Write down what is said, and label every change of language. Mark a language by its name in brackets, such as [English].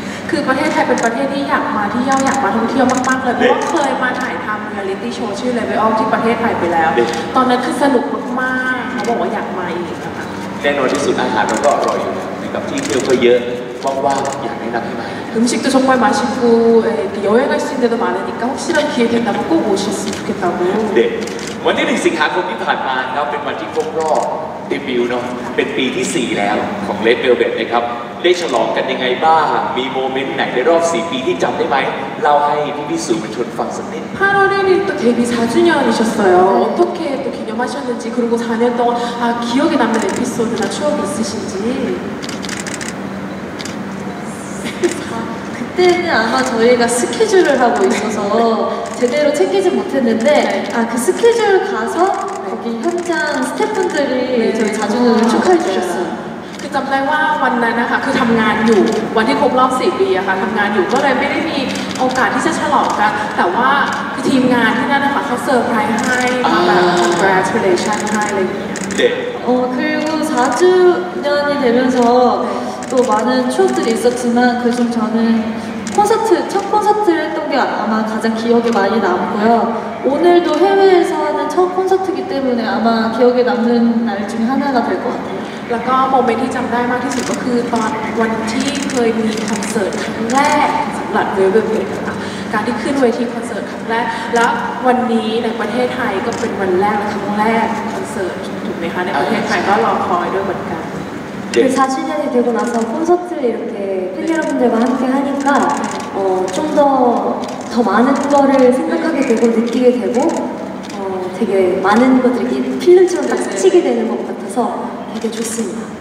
[Thai] คือประเทศไทยเป็นประเทศที่อยากมาเที่ยวอยากมาท่องเที่ยวมากๆเลยเพราะว่าเคยมาถ่ายทำเรียลลิตี้โชว์ชื่อ Level Up ที่ประเทศไทยไปแล้วตอนนั้นคือสนุกมากๆเขาบอกว่าอยากมาอีก แน่นอนที่สุดอาหารมันก็อร่อยอยู่นะกับที่เที่ยวก็เยอะว่างๆอยากแนะนำให้มา อืมชิคก็ชอบไปมาชิคุเอ๋ย [Korean] 여행할 수 있는 데도 많으니까 혹시나 기회 된다면 꼭 오실 수 있겠다고 [Thai] 네 วันที่1 สิงหาคมที่ผ่านมาครับเป็นวันที่ครบรอบเดบิวต์เนาะเป็นปีที่4แล้วของ Red Velvet นะครับได้ฉลองกันยังไงบ้างมีโมเมนต์ไหนในรอบ4ปีที่จำได้ไหมเล่าให้พี่พี่สื่อมวลชนฟังสักนิด [Korean] 8월1일또데뷔4주년이셨어요어떻게또기념하셨는지그리고4년동안아기억에남는에피소드나추억이있으신지 그때는아마저희가스케줄을하고있어서 제대로챙기지못했는데아그스케줄가서거기현장스태프들이 저희4주년을축하해주셨어요 [Thai] จำได้ว่าวันนั้นนะคะคือทำงานอยู่วันที่ครบรอบ4ปีอะค่ะทำงานอยู่ก็เลยไม่ได้มีโอกาสที่จะฉลองกันแต่ว่าทีมงานที่นั่นนะคะเขาเซอร์ไพรส์ให้แบบ [English] congratulation 하이 [Korean] 네. 어 그리고 4주년이 되면서 또 많은 추억들이 있었지만 그중 저는 콘서트 첫 콘서트를 했던 게 아마 가장 기억에 많이 남고요. 오늘도 해외에서 하는 첫 콘서트이기 때문에 아마 기억에 남는 날 중에 하나가 될 것 같아요. [Thai] แล้วก็ moment ที่จำได้มากที่สุดก็คือตอนวันที่เคยมีคอนเสิร์ตครั้งแรกสำหรับเวลเวลเวลนะคะการที่ขึ้นเวทีคอนเสิร์ตครั้งแรกและวันนี้ในประเทศไทยก็เป็นวันแรกและครั้งแรกคอนเสิร์ตถูกไหมคะในประเทศไทยก็รอคอยด้วยเหมือนกัน [Korean] 4주년이 되고 나서 콘서트를 이렇게 팬여러분들과 함께 하니까 좀더 많은 거를 생각하게 되고 느끼게 되고 되게 많은 것들이 필름처럼 딱 스치게 되는 것 같아서 되게 좋습니다.